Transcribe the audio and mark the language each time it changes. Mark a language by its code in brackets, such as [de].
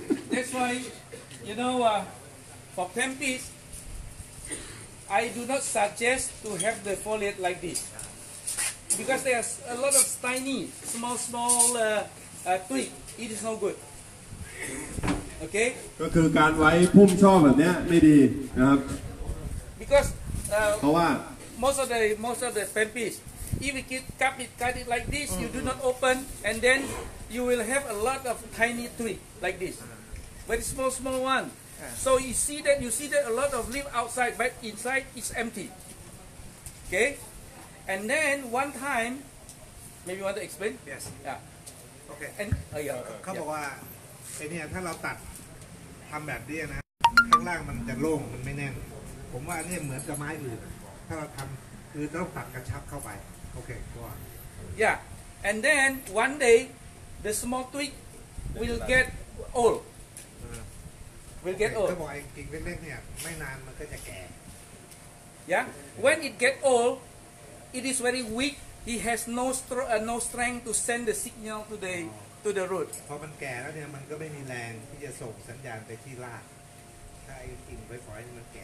[en] That's why you know for Pemphis I do not suggest to have the foliage like this because there's a lot of tiny small twig it is no goodOkay. [th] ก็คือการไว้พุ่มช่อแบบเนี้ยไม่ดีนะครับ [en] Because [th] เพราะว่า [en] most of the pampis if you cut it like this you do not open and then you will have a lot of tiny twig like this very small one so you see that a lot of leaf outside but inside it's empty okay and then one time maybe you want to explain yes yeah okay and [th] เขาบอกว่าไอ้เนี่ยถ้าเราตัดทำแบบนี้นะข้างล่างมันจะโล่งมันไม่แน่นผมว่าอันนี้เหมือนกับไม้อื่นถ้าเราทำคือต้องตัดกระชับเข้าไปโอเคก็ [en] Yeah and then one day the small twig will get old will get old [th] ถ้าบอกไอ้กิ่งเล็กๆเนี่ยไม่นานมันก็จะแก่ [en] Yeah when it get old it is very weak he has no strength to send the signal to theto the root [th] พอมันแก่แล้วเนี่ยมันก็ไม่มีแรงที่จะส่งสัญญาณไปที่รากถ้าไอ้กิ่งไปฝอยมันแก